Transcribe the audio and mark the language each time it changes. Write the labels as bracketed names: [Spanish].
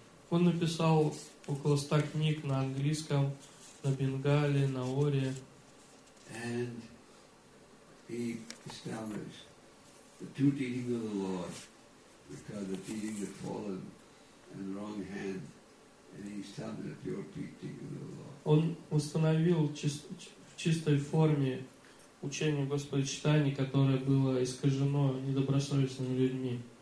[Russian] Он написал около 100 книг на английском, на бенгали, на ори. [English] He established the two teachings of the Lord, because the teachings had fallen in the wrong hands, and he established the pure teaching of the Lord. [Russian] Он установил в чистой форме учение Господа Чайтаньи, которое было искажено недобросовестными людьми.